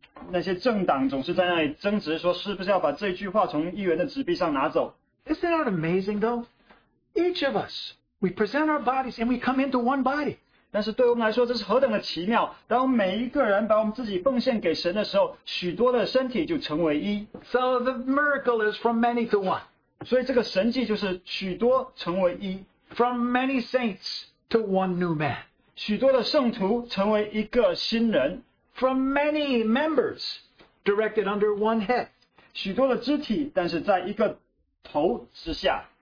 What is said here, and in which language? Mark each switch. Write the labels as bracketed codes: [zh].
[zh] 那些政党总是在那里争执说是不是要把这句话从议员的纸币上拿走。 [en] Isn't that amazing though? Each of us, we present our bodies and we come into one body. [zh] 但是对我们来说这是何等的奇妙，当每一个人把我们自己奉献给神的时候，许多的身体就成为一。 [en] So the miracle is from many to one. [zh] 所以这个神迹就是许多成为一。 [en] From many saints to one new man. [zh] 许多的圣徒成为一个新人。 [en] From many members directed under one head. [zh] 许多的肢体但是在一个头之下。